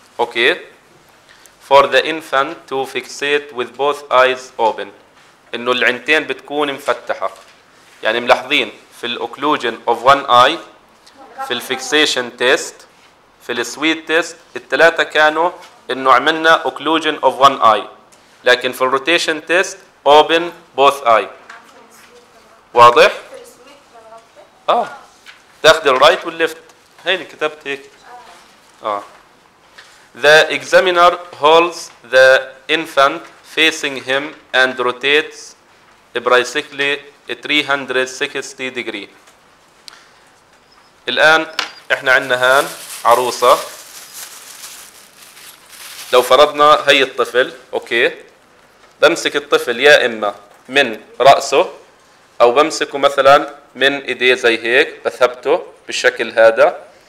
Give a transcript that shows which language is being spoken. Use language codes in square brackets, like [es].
[ar] اوكي، [en] for the infant to fixate with both eyes open, [ar] انه العينتين بتكون مفتحه، يعني ملاحظين في الاوكلوجن اوف وان اي، في الفيكسيشن تيست، في السويت تيست، الثلاثة كانوا انه عملنا اوكلوجن اوف وان اي، لكن في الروتيشن تيست [en] Open both eye. [ar] واضح؟ تاخذ الرايت والليفت، هيني كتبت هيك. [en] The examiner holds the infant facing him and rotates bicycle 360 degree. [ar] الان احنا عندنا هان عروسة، لو فرضنا هي الطفل، اوكي، بمسك الطفل يا اما من رأسه او بمسكه مثلا من ايديه زي هيك، بثبته بالشكل هذا.